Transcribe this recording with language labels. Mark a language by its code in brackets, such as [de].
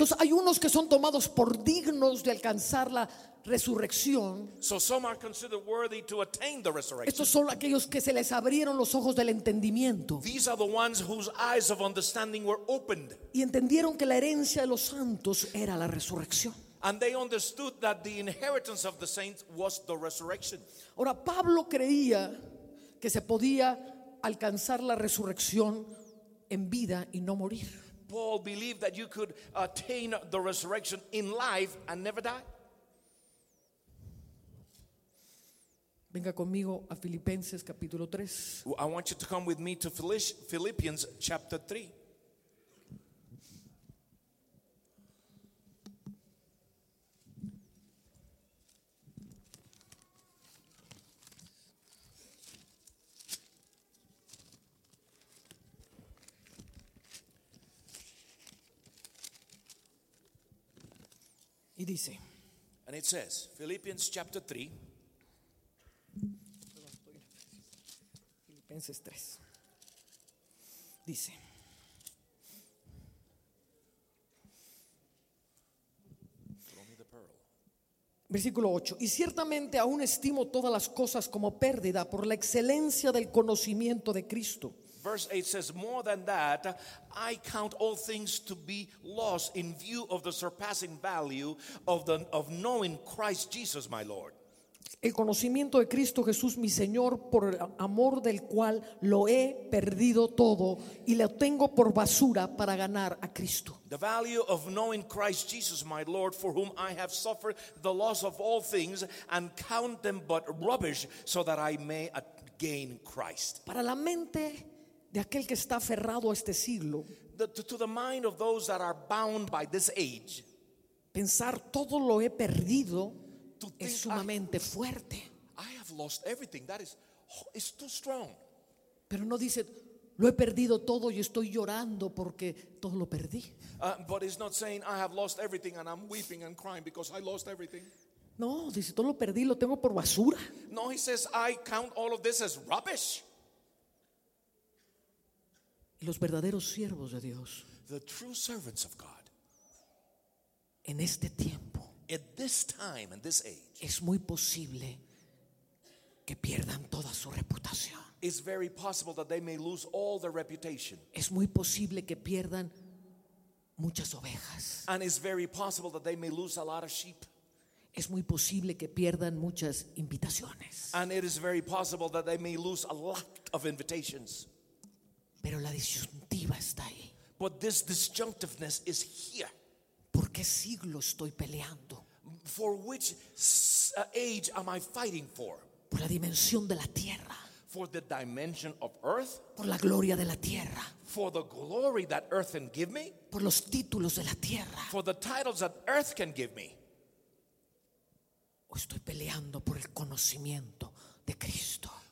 [es] Entonces hay unos que son tomados por dignos de alcanzar la resurrección. [en] So some are considered worthy to attain the resurrection. [es] Estos son aquellos que se les abrieron los ojos del entendimiento. [en] These are the ones whose eyes of understanding were opened. [es] Y entendieron que la herencia de los santos era la resurrección. [en] And they understood that the inheritance of the saints was the resurrection. [es] Ahora Pablo creía que se podía alcanzar la resurrección en vida y no morir. [en] Paul believed that you could attain the resurrection in life and never die. [es] Venga conmigo a Filipenses capítulo 3. [en] I want you to come with me to Philippians chapter 3. [es] Y dice, [en] and it says, Philippians chapter 3, [es] Filipenses 3, dice, [en] throw me the pearl. [es] Versículo 8, y ciertamente aún estimo todas las cosas como pérdida por la excelencia del conocimiento de Cristo. [en] Verse 8 says, more than that, I count all things to be lost in view of the surpassing value of knowing Christ Jesus, my Lord. [es] El conocimiento de Cristo Jesús, mi Señor, por el amor del cual lo he perdido todo y lo tengo por basura para ganar a Cristo. [en] The value of knowing Christ Jesus, my Lord, for whom I have suffered the loss of all things and count them but rubbish so that I may gain Christ. [es] Para la mente de aquel que está aferrado a este siglo, [en] to the mind of those that are bound by this age, [es] pensar todo lo he perdido es sumamente fuerte. [en] I have lost everything. That is, it's too strong. [es] Pero no dice lo he perdido todo y estoy llorando porque todo lo perdí. [en] But it's not saying I have lost everything and I'm weeping and crying because I lost everything. [es] No, dice todo lo perdí, lo tengo por basura. [en] No, he says I count all of this as rubbish. [es] Y los verdaderos siervos de Dios, [en] the true servants of God, [es] en este tiempo, [en] at this time, in this age, [es] es muy posible que pierdan toda su reputación. [en] It's very possible that they may lose all their reputation. [es] Es muy posible que pierdan muchas ovejas. [en] And it's very possible that they may lose a lot of sheep. [es] Es muy posible que pierdan muchas invitaciones. [en] And it is very possible that they may lose a lot of invitations. [es] Pero la disyuntiva está ahí. [en] But this disjunctiveness is here. [es] ¿Por qué siglo estoy peleando? [en] For which age am I fighting for? [es] Por la dimensión de la tierra. [en] For the dimension of earth. [es] Por la gloria de la tierra. [en] For the glory that earth can give me. [es] Por los títulos de la tierra. [en] For the titles that earth can give me. [es] O estoy peleando por el conocimiento de Cristo.